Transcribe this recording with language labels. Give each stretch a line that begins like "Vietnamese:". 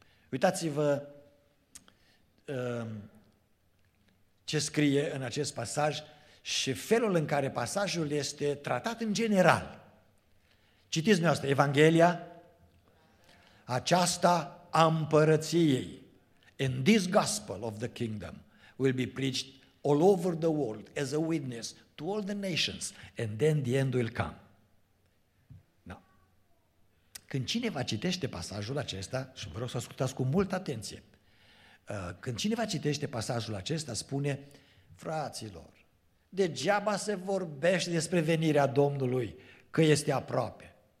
Romanian: Uitați-vă ce scrie în acest pasaj și felul în care pasajul este tratat în general. Citiți dumneavoastră Evanghelia, aceasta a împărăției.
English: And this gospel of the kingdom will be preached all over the world as a witness to all the nations and then the end will come.
Romanian: Da. Când cineva citește pasajul acesta, și vreau să ascultați cu multă atenție, când cineva citește pasajul acesta, spune, fraților, degeaba se vorbește despre venirea Domnului, că este aproape.